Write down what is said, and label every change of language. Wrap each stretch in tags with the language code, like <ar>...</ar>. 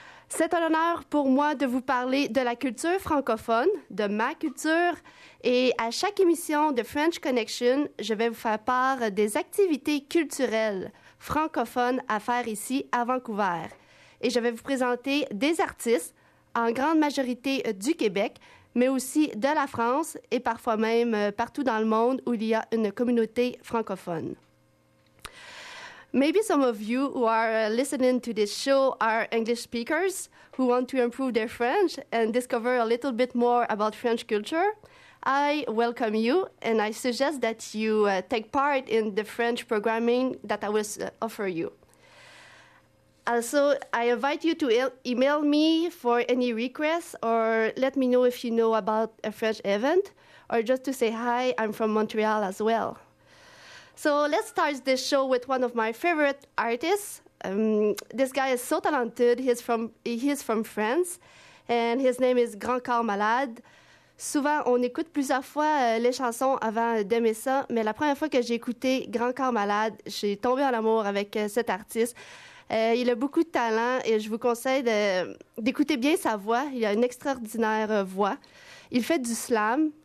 <fr>C'est un honneur pour moi de vous parler de la culture francophone, de ma culture, et à chaque émission de French Connection, je vais vous faire part des activités culturelles francophones à faire ici à Vancouver. Et je vais vous présenter des artistes, en grande majorité du Québec, mais aussi de la France et parfois même partout dans le monde où il y a une communauté francophone.</fr> <en>Maybe some of you who are listening to this show are English speakers who want to improve their French and discover a little bit more about French culture. I welcome you and I suggest that you take part in the French programming that I will offer you. Also, I invite you to email me for any requests or let me know if you know about a French event or just to say hi, I'm from Montreal as well. So let's start this show with one of my favorite artists. This guy is so talented. He's from France, and his name is Grand Corps Malade.</en> <fr>Souvent, on écoute plusieurs fois les chansons avant d'aimer ça, mais la première fois que j'ai écouté Grand Corps Malade, j'ai tombé en amour avec cet artiste. Il a beaucoup de talent, et je vous conseille d'écouter bien sa voix. Il a une extraordinaire voix. Il fait du slam.</fr>